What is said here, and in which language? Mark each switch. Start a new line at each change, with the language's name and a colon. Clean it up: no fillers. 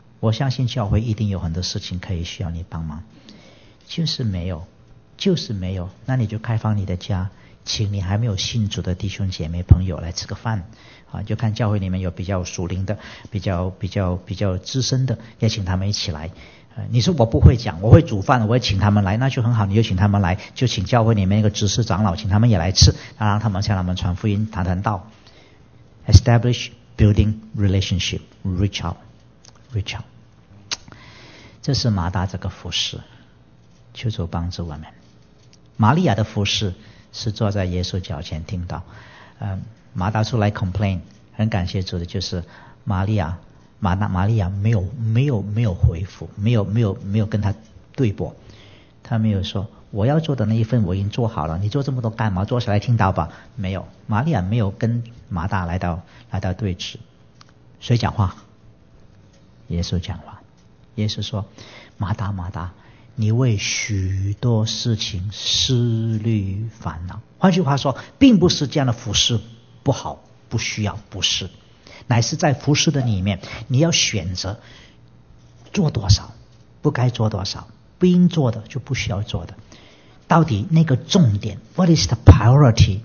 Chinese: 我相信教会一定有很多事情可以需要你帮忙，就是没有，那你就开放你的家，请你还没有信主的弟兄姐妹朋友来吃个饭啊，就看教会里面有比较属灵的比较资深的，也请他们一起来你说我不会讲，我会煮饭，我会请他们来，那就很好，你就请他们来，就请教会里面那个执事长老，请他们也来吃，让他们向他们传福音，谈谈道。
English: Establish building relationship, reach out, reach out.
Chinese: 这是马大这个服事，求主帮助我们。玛利亚的服事是坐在耶稣脚前听到，马大出来 complain， 很感谢主的就是玛利亚。玛利亚没有回复，没有跟他对驳，他没有说我要做的那一份我已经做好了，你做这么多干嘛？坐下来听到吧。没有，玛利亚没有跟马大来到对峙，谁讲话？耶稣讲话。耶稣说：“马大，马大，你为许多事情思虑烦恼。” 换句话说，并不是这样的服事不好，不需要，不是。乃是在服事的里面，你要选择做多少，不该做多少，不应做的就不需要做的。到底那个重点 ，
English: What is the priority？